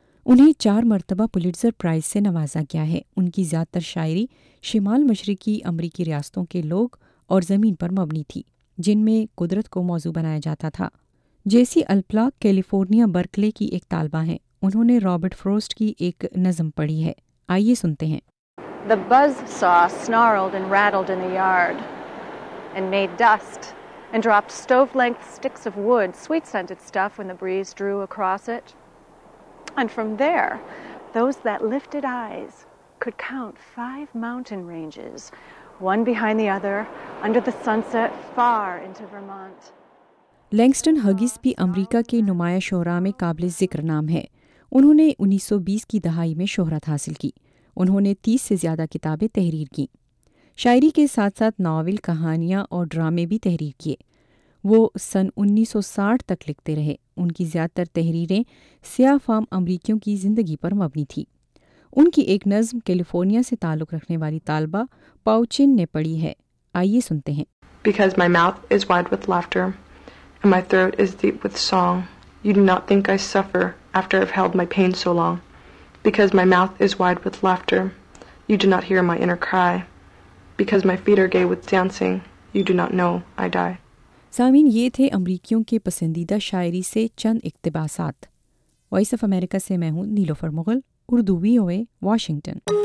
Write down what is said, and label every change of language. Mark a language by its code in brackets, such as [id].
[ur] انہیں 4 مرتبہ Pulitzer price سے نوازا گیا ہے۔ ان کی زیادہ تر شاعری شمال مشرقی امریکی ریاستوں کے لوگ اور زمین پر مبنی تھی جن میں قدرت کو موضوع بنایا جاتا تھا۔ جیسی الپلا کیلیفورنیا برکلے کی ایک طالبہ ہیں، انہوں نے رابرٹ فروسٹ کی ایک نظم پڑھی ہے، آئیے سنتے ہیں۔ [en] The buzz saw snarled and rattled in the yard and made dust and dropped stove length sticks of wood, sweet scented stuff when the breeze drew across it. And from there, those that lifted eyes could count 5 mountain ranges, one behind the other, under the sunset far into Vermont. [ur] لینگسٹن ہگیز بھی امریکہ کے نمایاں شعرا میں قابل ذکر نام ہے۔ انہوں نے 1920 کی دہائی میں شہرت حاصل کی۔ انہوں نے 30 سے زیادہ کتابیں تحریر کیں۔ شاعری کے ساتھ ساتھ ناول، کہانیاں اور ڈرامے بھی تحریر کیے۔ وہ 1960 تک لکھتے رہے۔ ان کی زیادہ تر تحریریں سیاہ فام امریکیوں کی زندگی پر مبنی تھی۔ ان کی ایک نظم کیلیفورنیا سے تعلق رکھنے والی طالبہ پاؤچن نے پڑھی ہے، آئیے سنتے ہیں۔ [en] Because my mouth is wide with laughter and my throat is deep with song. You do not think I suffer after I've held my pain so long. Because my mouth is wide with laughter, you do not hear my inner cry. Because my feet are gay with dancing, you do not know I die. [ur] سامعین، یہ تھے امریکیوں کے پسندیدہ شاعری سے چند اقتباسات۔ Voice of America سے میں ہوں نیلوفر مغل، اردو وی او اے، واشنگٹن۔